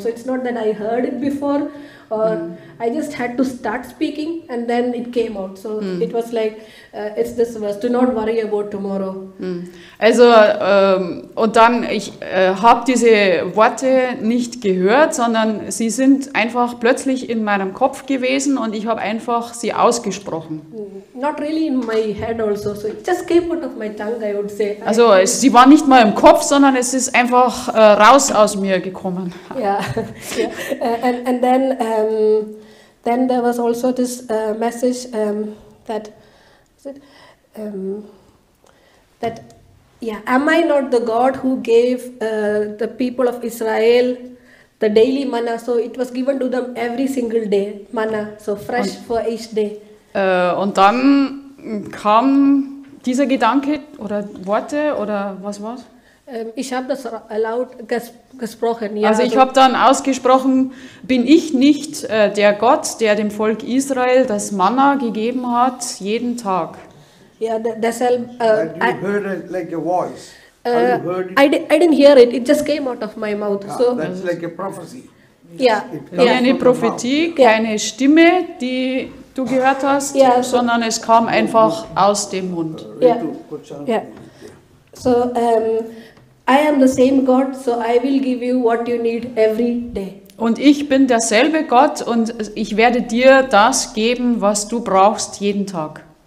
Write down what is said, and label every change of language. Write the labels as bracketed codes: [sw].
[en] So it's not that I heard it before, or I just had to start speaking, and then it came out. So it was like, it's this verse, do not worry about tomorrow. [de] Also, und dann, ich habe diese Worte nicht gehört, sondern sie sind einfach plötzlich in meinem Kopf gewesen und ich habe einfach sie ausgesprochen. [en] Not really in my head also, so it just came out of my tongue, I would say. [de] Also, sie war nicht mal im Kopf, sondern es ist einfach raus aus mir gekommen. [en] Then there was also this message that said, am I not the God who gave the people of Israel the daily manna? So it was given to them every single day, manna, so fresh for each day. [de] Und dann kam dieser Gedanke oder Worte oder was war's? Ich habe das laut gesprochen. Ja. Also ich habe dann ausgesprochen, bin ich nicht der Gott, der dem Volk Israel das Manna gegeben hat, jeden Tag? Ja, deshalb... [en] You heard it like a voice. I didn't hear it, it just came out of my mouth. Ah, so. That's like a prophecy. Yeah. [de] Keine Prophetie, keine Stimme, die du gehört hast, yeah, sondern es kam einfach aus dem Mund. [en] Yeah. So, I am the same God, so I will give you what you need every day. [de] Und ich bin derselbe Gott und ich werde dir das geben, was du brauchst jeden Tag.